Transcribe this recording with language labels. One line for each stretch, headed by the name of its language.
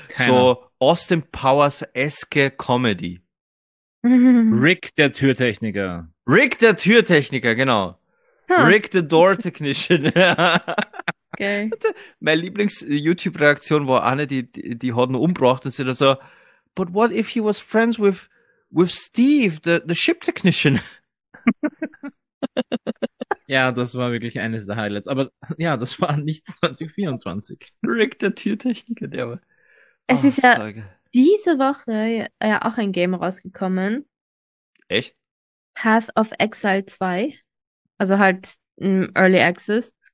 German: So Austin Powers-eske Comedy. Rick der Türtechniker, genau.
English: Huh. Rick the Door Technician. Okay.
German: Meine Lieblings-YouTube-Reaktion war eine, die hat ihn umgebracht und sie da so.
English: But what if he was friends with Steve, the ship technician?
German: Ja, das war wirklich eines der Highlights. Aber ja, das war nicht 2024. Rick, der Tiertechniker, der war... Es ist ja diese Woche ja auch ein Game rausgekommen. Echt? Path of Exile 2. Also halt Early Access.